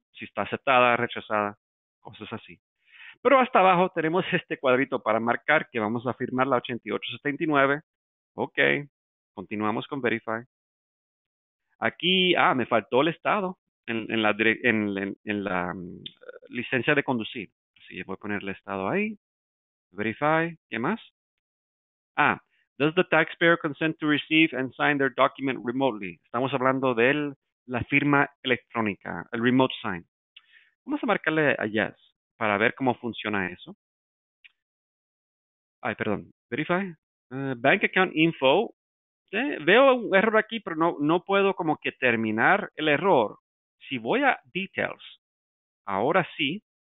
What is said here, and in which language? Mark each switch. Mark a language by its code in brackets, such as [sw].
[es] Si está aceptada, rechazada, cosas así. Pero hasta abajo tenemos este cuadrito para marcar que vamos a firmar la 8879. Ok, continuamos con Verify. Aquí, me faltó el estado en la licencia de conducir. Así que voy a poner el estado ahí. Verify, ¿qué más? [en] Does the taxpayer consent to receive and sign their document remotely? [es] Estamos hablando de la firma electrónica, el remote sign. Vamos a marcarle a yes para ver cómo funciona eso. Verify. Bank account info. Veo un error aquí, pero no puedo como que terminar el error. Si voy a details, ahora sí,